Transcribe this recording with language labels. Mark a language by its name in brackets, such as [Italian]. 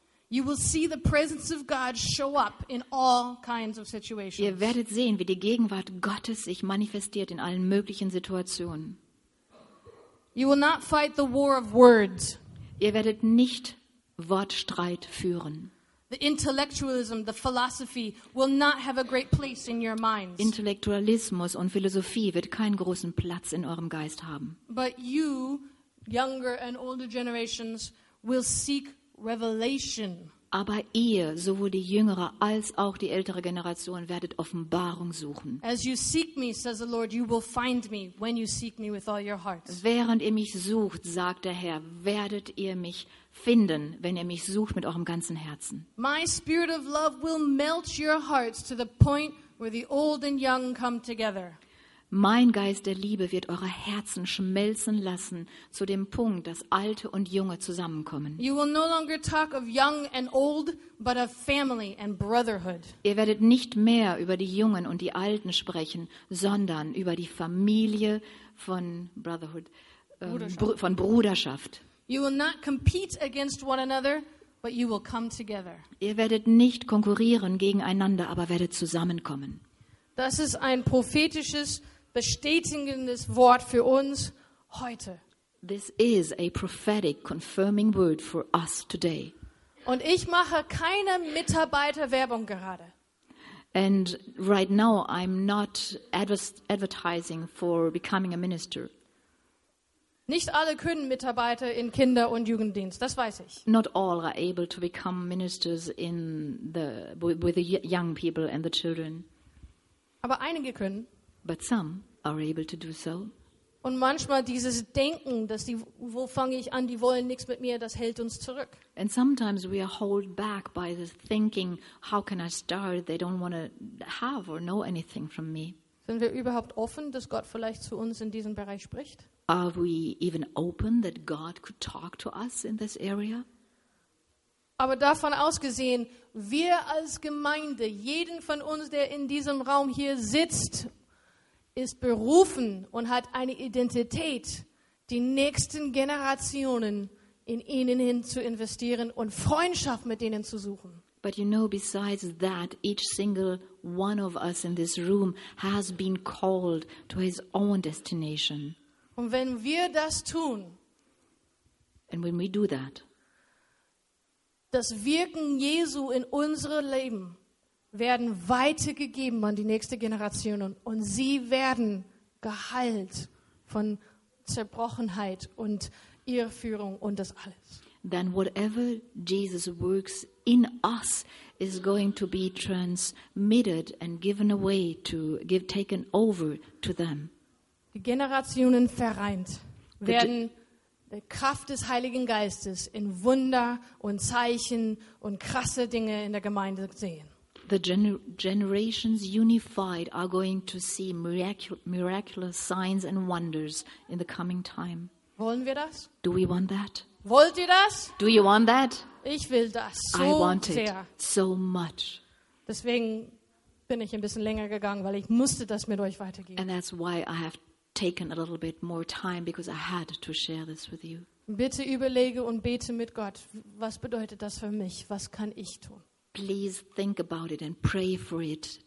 [English] You will see the presence of God show up in all kinds of situations. [German] Ihr werdet sehen, wie die Gegenwart Gottes sich manifestiert in allen möglichen Situationen. [English] You will not fight the war of words. [German] Ihr werdet nicht Wortstreit führen. [English] The intellectualism, the philosophy will not have a great place in your minds. [German] Intellektualismus und Philosophie wird keinen großen Platz in eurem Geist haben. [English] But you, younger and older generations, will seek revelation. [German] Aber ihr, sowohl die jüngere als auch die ältere Generation, werdet Offenbarung suchen. [English] As you seek me, says the Lord, you will find me when you seek me with all your heart. [German] Während ihr mich sucht, sagt der Herr, werdet ihr mich finden, wenn ihr mich sucht mit eurem ganzen Herzen. [English] My spirit of love will melt your hearts to the point where the old and young come together. [German] Mein Geist der Liebe wird eure Herzen schmelzen lassen zu dem Punkt, dass Alte und Junge zusammenkommen. [English] You will no longer talk of young and old, but of family and brotherhood. [German] Ihr werdet nicht mehr über die Jungen und die Alten sprechen, sondern über die Familie von Brotherhood, von Bruderschaft. [English] You will not compete against one another, but you will come together. [German] Ihr werdet nicht konkurrieren gegeneinander, aber werdet zusammenkommen. Das ist ein prophetisches bestätigendes Wort für uns heute. [English] This is a prophetic confirming word for us today. [German] Und ich mache keine Mitarbeiterwerbung gerade. [English] And right now I'm not advertising for becoming a minister. [German] Nicht alle können Mitarbeiter in Kinder- und Jugenddienst, das weiß ich. [English] Not all are able to become ministers in the with the young people and the children. [German] Aber einige können. [English] But some are able to do so. [German] Und manchmal dieses Denken, dass die, wo fange ich an, die wollen nichts mit mir, das hält uns zurück. [English] And sometimes we are held back by the thinking, how can I start? They don't want to have or know anything from me. [German] Sind wir überhaupt offen, dass Gott vielleicht zu uns in diesem Bereich spricht? [English] Are we even open that God could talk to us in this area? [German] Aber davon ausgesehen, wir als Gemeinde, jeden von uns, der in diesem Raum hier sitzt, ist berufen und hat eine Identität, die nächsten Generationen in ihnen hin zu investieren und Freundschaft mit ihnen zu suchen. [English] But you know, besides that, each single one of us in this room has been called to his own destination. [German] Und wenn wir das tun, [English] and when we do that, [German] das Wirken Jesu in unsere Leben werden weitergegeben an die nächste Generation und sie werden geheilt von Zerbrochenheit und Irreführung und das alles. [English] Then whatever Jesus works in us is going to be transmitted and given away to give taken over to them. [German] Die Generationen vereint werden der Kraft des Heiligen Geistes in Wunder und Zeichen und krasse Dinge in der Gemeinde sehen. [English] The generations unified are going to see miraculous signs and wonders in the coming time. [German] Wollen wir das? [English] Do we want that? [German] Wollt ihr das? [English] Do you want that? [German] Ich will das so sehr. [English] I want it so much. [German] Deswegen bin ich ein bisschen länger gegangen, weil ich musste das mit euch weitergeben. [English] And that's why I have taken a little bit more time because I had to share this with you. [German] Bitte überlege und bete mit Gott. Was bedeutet das für mich? Was kann ich tun? [English] Please think about it and pray for it.